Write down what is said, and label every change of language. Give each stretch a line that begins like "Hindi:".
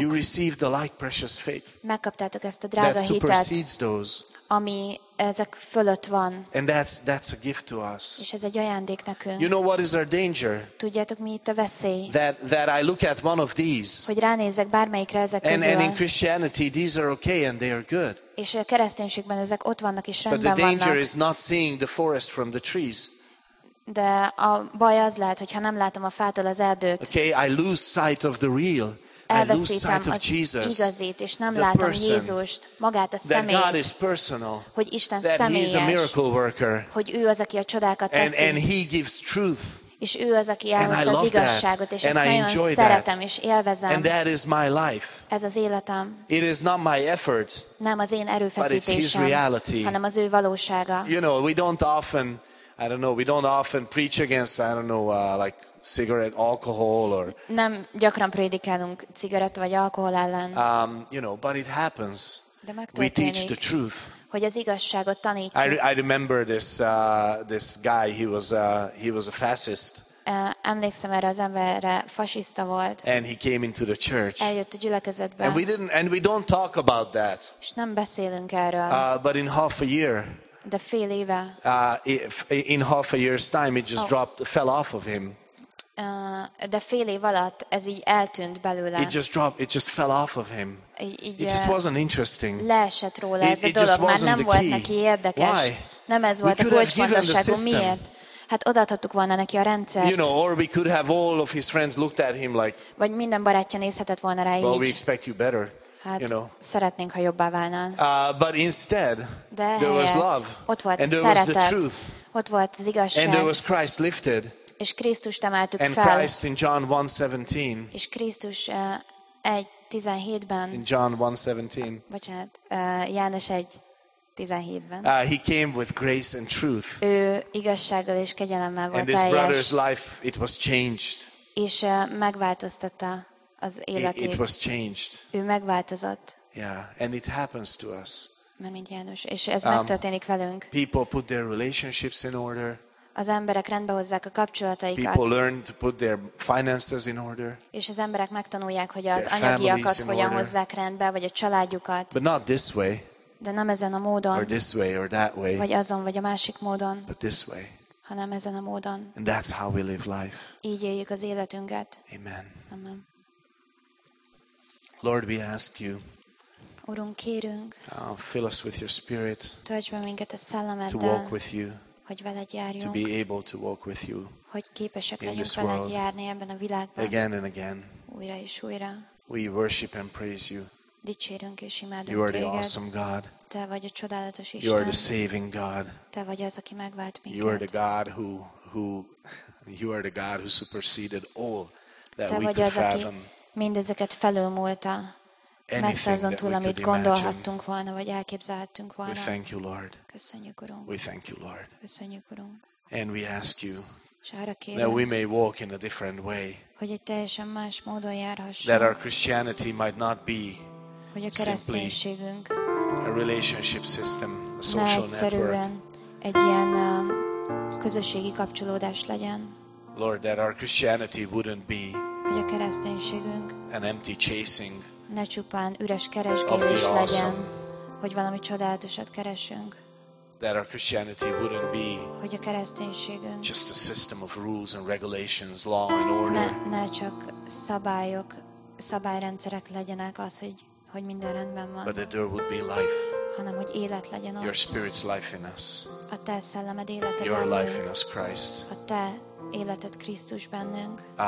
English: You received the like precious faith.
Hungarian: Megkaptátok ezt a drága hitet.
English: That supersedes those.
Hungarian: Ami ezek fölött van.
English: And that's a gift to us.
Hungarian: És ez egy ajándék nekünk.
English: You know what is our danger?
Hungarian: Tudjátok, mi itt a veszély?
English: That I look at one of these.
Hungarian: Hogy ránézek bármelyikre ezek közül.
English: And in Christianity these are okay and they are good.
Hungarian: És a kereszténységben ezek ott vannak és rendben vannak.
English: But the danger is not seeing the forest from the trees.
Hungarian: De a baj az lehet, hogyha nem látom a fától az erdőt.
English: Okay, I lose sight of the real.
Hungarian: Elveszítem az igazit, és nem látom Jézust, magát a személyt, hogy Isten személyes, hogy ő az, aki a csodákat teszi, és ő az, aki elhozta az igazságot, és ezt nagyon szeretem, és élvezem. Ez az életem.
English: It is not my effort,
Hungarian: nem az én erőfeszítésem, hanem az ő valósága.
English: You know, we don't often, I don't know, we don't often preach against, I don't know, like cigarette, alcohol or
Hungarian: nem gyakran prédikálunk cigaretta vagy alkohol ellen.
English: You know, but it happens.
Hungarian: De megtörténik,
English: we teach the truth.
Hungarian: Hogy az igazságot tanítjuk.
English: I remember this guy, he was a fascist.
Hungarian: Emlékszem erre az emberre, fasiszta volt.
English: And he came into the church.
Hungarian: Eljött a gyülekezetbe.
English: And we don't talk about that.
Hungarian: És nem beszélünk erről.
English: But in half a year.
Hungarian: De fél éve.
English: In half a year's time, it just dropped, fell off of him.
Hungarian: De fél év alatt ez így eltűnt belőle.
English: It just fell off of him. It just wasn't interesting.
Hungarian: Leesett róla ez a dolog, már nem volt neki érdekes.
English: Why?
Hungarian: Nem ez volt a kulcsfontosságú. Miért? Hát odaadhattuk volna neki a rendszert.
English: You know, or we could have all of his friends looked at him like.
Hungarian: Vagy minden barátja nézhetett volna rá így.
English: Well, we expect you better.
Hungarian: Hát
English: you know,
Hungarian: szeretnénk, ha jobbá válnál.
English: But instead,
Hungarian: de
English: there was love,
Hungarian: ott volt
English: and
Hungarian: szeretet,
English: there was the truth,
Hungarian: ott volt az igazság,
English: and there was Christ lifted,
Hungarian: és Krisztust emeltük
English: and
Hungarian: fel,
English: Christ in John 1:17,
Hungarian: és Krisztus 1:17-ben,
English: in John 1:17,
Hungarian: bocsánat, János 1:17-ben,
English: he came with grace and truth,
Hungarian: ő igazsággal és kegyelemmel volt
English: and
Hungarian: eljes,
English: and his brother's life, it was changed,
Hungarian: és megváltoztatta az életét.
English: It was changed.
Hungarian: Ő megváltozott.
English: Yeah, and it happens to us.
Hungarian: Nem, mint János, és ez megtörténik velünk.
English: People put their relationships in order.
Hungarian: Az emberek rendbe hozzák a kapcsolataikat.
English: People learn to put their finances in order.
Hungarian: És az emberek megtanulják, hogy az anyagiakat hogyan hozzák rendbe, vagy a családjukat.
English: But not this way.
Hungarian: De nem ezen a módon.
English: Or this way or that way.
Hungarian: Vagy azon, vagy a másik módon.
English: But this way.
Hungarian: Hanem ezen a módon.
English: And that's how we live life.
Hungarian: Így éljük az életünket.
English: Amen.
Hungarian: Amen.
English: Lord, we ask you.
Hungarian: Urunk, kérünk.
English: Fill us with your spirit.
Hungarian: Töltsd be minket a szellemeddel.
English: To walk with you.
Hungarian: Hogy veled járjunk.
English: To be able to walk with you.
Hungarian: Hogy képesek legyünk veled járni ebben a világban.
English: Again and again.
Hungarian: Újra és újra.
English: We worship and praise you.
Hungarian: Dicsérünk és imádunk téged.
English: You are the awesome God.
Hungarian: Te vagy a csodálatos Isten.
English: You are the saving God.
Hungarian: Te vagy az, aki megvált minket.
English: You are the God who are the God who superseded all that
Hungarian: te
English: we could
Hungarian: az,
English: fathom.
Hungarian: Mindezeket felülmúlta, messze azon túl, amit gondolhattunk volna, vagy elképzelhettünk volna.
English: We thank you, Lord.
Hungarian: Köszönjük, Urunk.
English: We thank you, Lord.
Hungarian: Köszönjük, Urunk.
English: And we ask you that we may walk in a different way.
Hungarian: Hogy egy teljesen más módon járhassunk.
English: That our Christianity might not be
Hungarian: hogy a kereszténységünk
English: a relationship system, a social network.
Hungarian: Ne egyszerűen egy ilyen közösségi kapcsolódás legyen.
English: Lord, that our Christianity wouldn't be
Hungarian: hogy a kereszténységünk
English: an empty chasing
Hungarian: ne csupán üres keresgélés legyen, hogy valami csodálatosat keresünk.
English: That our Christianity wouldn't be
Hungarian: hogy a kereszténységünk
English: just a system of rules and regulations, law and order.
Hungarian: Ne csak szabályok, szabályrendszerek legyenek az, hogy minden rendben van.
English: But that there would be life.
Hungarian: Hanem, hogy élet legyen ott.
English: Your spirit's life in us.
Hungarian: A te szellemed életed.
English: Your life in us, Christ.
Hungarian: A te életed Krisztus bennünk.